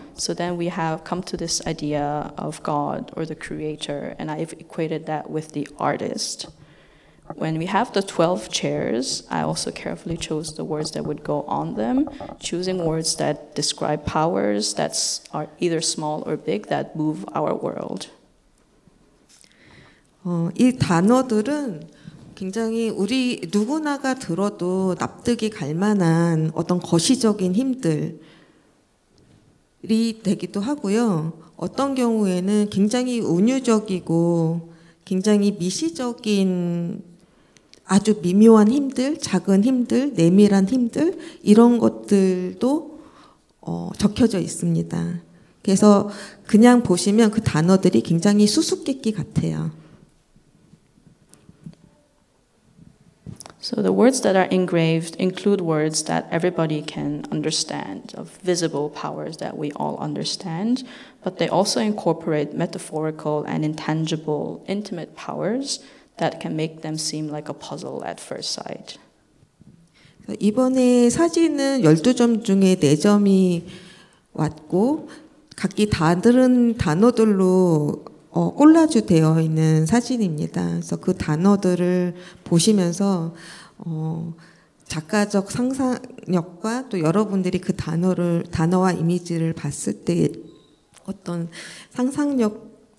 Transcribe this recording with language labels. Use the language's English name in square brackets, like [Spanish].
[English] So then we have come to this idea of God or the creator, and I've equated that with the artist. When we have the 12 chairs, I also carefully chose the words that would go on them, choosing words that describe powers that are either small or big that move our world. [Korean] 이 단어들은 굉장히 우리 누구나가 들어도 납득이 갈 만한 어떤 거시적인 힘들이 되기도 하고요. 어떤 경우에는 굉장히 운유적이고 굉장히 미시적인 아주 미묘한 힘들, 작은 힘들, 내밀한 힘들 이런 것들도 적혀져 있습니다. 그래서 그냥 보시면 그 단어들이 굉장히 수수께끼 같아요. [English] So the words that are engraved include words that everybody can understand, of visible powers that we all understand, but they also incorporate metaphorical and intangible intimate powers that can make them seem like a puzzle at first sight. [Korean] 이번에 사진은 12점 중에 4점이 왔고 각기 다른 단어들로 콜라주 되어 있는 사진입니다. 그래서 그 단어들을 보시면서 작가적 상상력과 또 여러분들이 그 단어와 이미지를 봤을 때 어떤 상상력